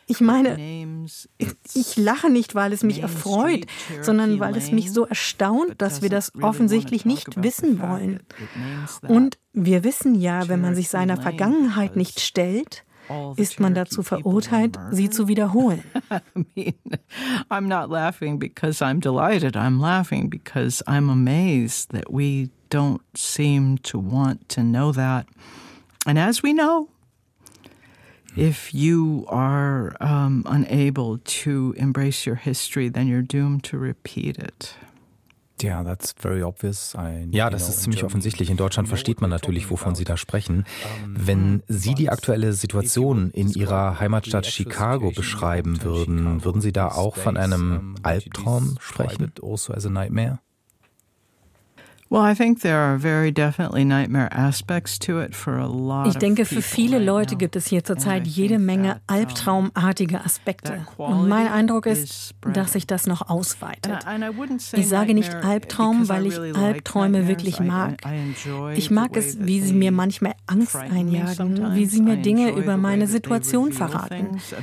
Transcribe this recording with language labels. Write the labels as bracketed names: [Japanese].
[German] Ich meine, ich lache nicht, weil es mich erfreut, sondern weil es mich so erstaunt, dass wir das offensichtlich nicht wissen wollen. Und wir wissen ja, wenn man sich seiner Vergangenheit nicht stellt, ist man dazu verurteilt, sie zu wiederholen. [English] I'm not laughing because I'm delighted. I'm laughing because I'm amazed that we don't seem to want to know that. And as we know, if you are unable to embrace your history, then you're doomed to repeat it. Yeah, that's very obvious. [German] Ja, das ist ziemlich offensichtlich. In Deutschland versteht man natürlich, wovon Sie da sprechen. Wenn Sie die aktuelle Situation in Ihrer Heimatstadt Chicago beschreiben würden, würden Sie da auch von einem Albtraum sprechen? [English] Also as a nightmare? Well, I think there are very definitely nightmare aspects to it for a lot. [German] Ich denke, für viele Leute gibt es hier zurzeit jede Menge albtraumartige Aspekte. Und mein Eindruck ist, dass sich das noch ausweitet. Ich sage nicht Albtraum, weil ich Albträume wirklich mag. Ich mag es, wie sie mir manchmal Angst einjagen, wie sie mir Dinge über meine Situation verraten.